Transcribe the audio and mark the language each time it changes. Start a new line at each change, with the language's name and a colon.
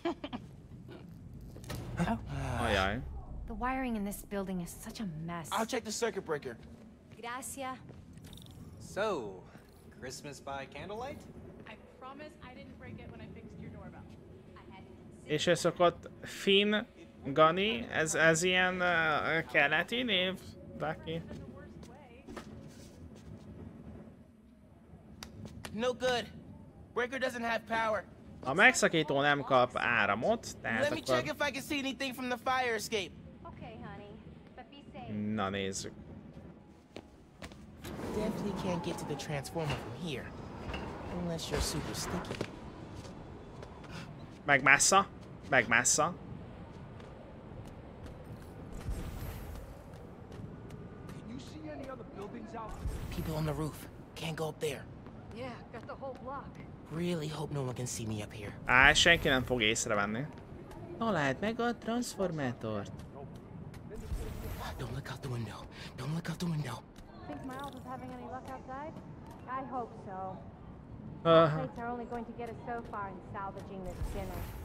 English: Oh. Ay, ay. The wiring in this building is such a mess. I'll check the circuit breaker.
Spanish: Gracias.
English: So, Christmas by candlelight? I promise I didn't break it when I fixed your doorbell. I had to sit.
Hungarian: És ez szokott Finn... Gani, ez ilyen keleti név, Ducky.
English: No good. Breaker doesn't have power.
Hungarian: A megszakító nem kap áramot, tehát
English: let me
Hungarian: akkor...
English: check if I can see anything from the fire escape. Okay, honey. But be safe.
Hungarian: Na nézzük.
English: Definitely can't get to the transformer from here. Unless you're super sticky.
Hungarian: Megmásza? Megmásza?
English: People on the roof. Can't go up there. Yeah, got the whole block. Really hope no one can see me up here.
Hungarian: Ah, senki nem fog észrevenni. Találd meg a transformátort.
English: Don't look out the window. Don't look out the window. Think Miles is having any luck outside? I hope so. Plates are only going to get us so far in salvaging this dinner.